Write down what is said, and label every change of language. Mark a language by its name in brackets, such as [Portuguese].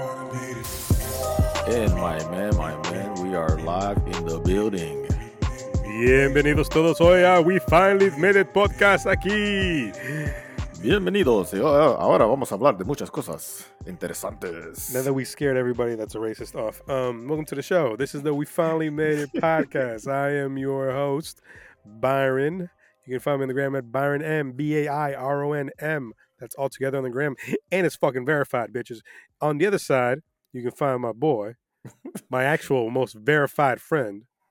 [English] And my man, we are live in the building. [Spanish] Bienvenidos todos hoy a We Finally Made It Podcast aquí. Bienvenidos. Ahora vamos a hablar de muchas cosas interesantes. [English] Now that we scared everybody that's a racist off, welcome to the show. This is the We Finally Made It Podcast. I am your host, Byron. You can find me on the gram at Byron M, B-A-I-R-O-N-M. That's all together on the gram. And it's fucking verified, bitches. On the other side, you can find my boy, my actual most verified friend,